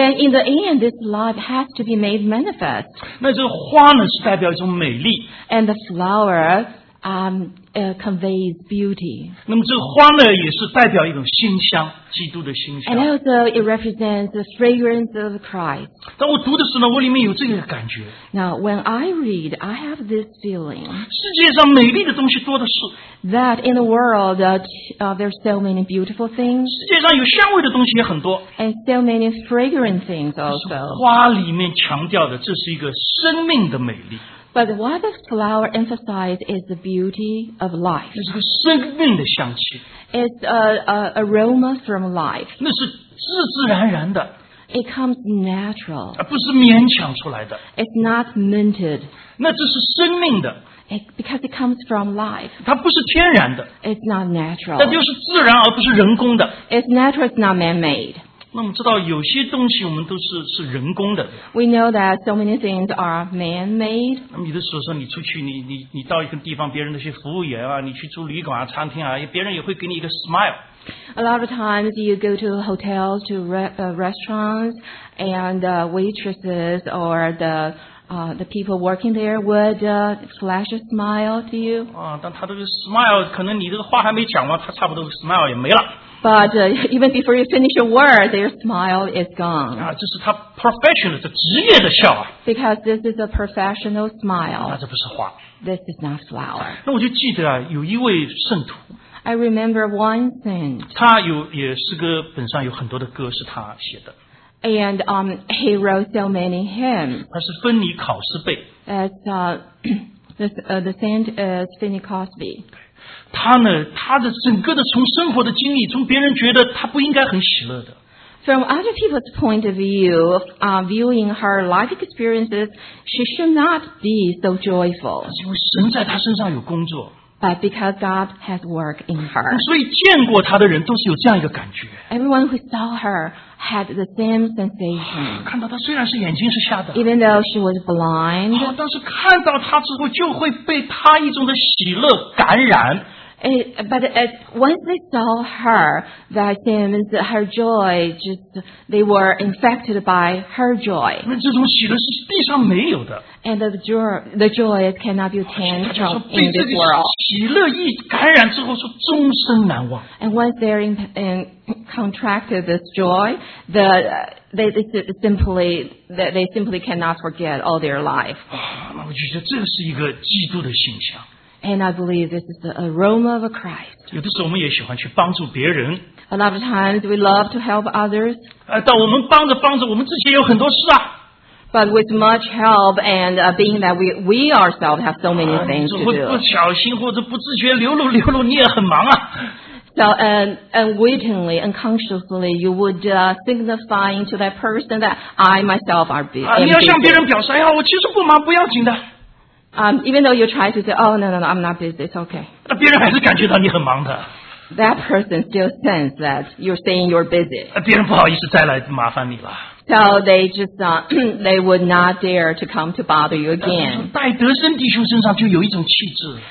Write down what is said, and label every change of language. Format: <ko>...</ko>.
<en>Then in the end, this life has to be made manifest.</en> <zh>那这个花呢，是代表一种美丽。</zh> <en>And the flower conveys beauty.</en> <zh>那么这个花呢，也是代表一种馨香。基督的馨香。</zh> <en>And also it represents the fragrance of Christ.</en> <zh>当我读的时候呢，我里面有这个感觉。</zh> <en>Now when I read, I have this feeling.</en> <zh>世界上美丽的东西多的是。</zh> <en>That in the world, there are so many beautiful things.</en> <zh>世界上有香味的东西也很多。</zh> <en>And so many fragrant things also.</en> <zh>花里面强调的，这是一个生命的美丽。</zh> <en>But what the flower emphasizes is the beauty of life.</en> <zh>这是个生命的香气。</zh> <en>It's a aroma from life.</en> <zh>那是自自然然的。</zh> <en>It comes natural.</en> <zh>不是勉强出来的。</zh> <en>It's not minted.</en> <zh>那这是生命的。</zh> <en>Because it comes from life.</en> <zh>它不是天然的。</zh> <en>It's not natural.</en> <zh>它就是自然而不是人工的。</zh> <en>It's natural, it's not man-made.</en> <zh>那我们知道有些东西我们都是人工的。</zh> <en>We know that so many things are man-made.</en> <zh>那么有的时候说你出去你到一个地方，别人那些服务员啊，你去住旅馆啊、餐厅啊，别人也会给你一个 smile。</zh> <en>A lot of times you go to hotels, to restaurants, and waitresses or the people working there would flash a smile to you.</en> <zh>啊，但他这个 smile 可能你这个话还没讲完，他差不多 smile 也没了。</zh> <en>But even before you finish your word, their smile is gone.</en> <zh>啊，这是他 professional 的职业的笑啊。</zh> <en>Because this is a professional smile.</en> <zh>那这不是花。</zh> <en>This is not flower.</en> <zh>那我就记得啊，有一位圣徒。</zh> <en>I remember one saint.</en> <zh>他有也诗歌本上有很多的歌是他写的。</zh> <en>And he wrote so many hymns.</en> <zh>他是芬尼考斯贝。</zh> <en>As the saint is Finney Crosby.</en> <zh>他呢，他的整个的从生活的经历，从别人觉得他不应该很喜乐的。</zh> <en>From other people's point of view, viewing her life experiences, she should not be so joyful.</en> <zh>因为神在他身上有工作。</zh> <en>But because God has work in her.</en> <zh>所以见过他的人都是有这样一个感觉。</zh> <en>Everyone who saw her had the same sensation.</en> <zh>看到他虽然是眼睛是瞎的。</zh> <en>Even though she was blind.</en> <zh>但是看到他之后就会被他一种的喜乐感染。</zh> <en>But once they saw her, that seems her joy, just they were infected by her joy.</en> <zh>那这种喜乐是地上没有的。</zh> <en>And the joy cannot be obtained from in this world.</en> <zh>喜乐一感染之后是终身难忘。</zh> <en>And once they're contracted this joy, they simply cannot forget all their life.</en> <zh>那我就觉得这是一个基督的馨香。</zh> <en>And I believe this is the aroma of a Christ.</en> <zh>有的时候我们也喜欢去帮助别人。</zh> <en>A lot of times we love to help others.</en> <zh>但我们帮着帮着，我们自己有很多事啊。</zh> <en>But with much help and being that we ourselves have so many things to do.</en> <zh>不小心或者不自觉流露流露，你也很忙啊。</zh> <en>So unwittingly, unconsciously, you would signify to that person that I myself are busy.</en> <zh>你要向别人表示，哎呀，我其实不忙，不要紧的。</zh> <en>Even though you try to say, oh, no, I'm not busy, it's okay.</en> <zh>别人还是感觉到你很忙的。</zh> <en>That person still senses that you're saying you're busy.</en> <zh>别人不好意思再来麻烦你了。</zh> <en>So they just they would not dare to come to bother you again.</en> <zh>戴德森弟兄身上就有一种气质。</zh>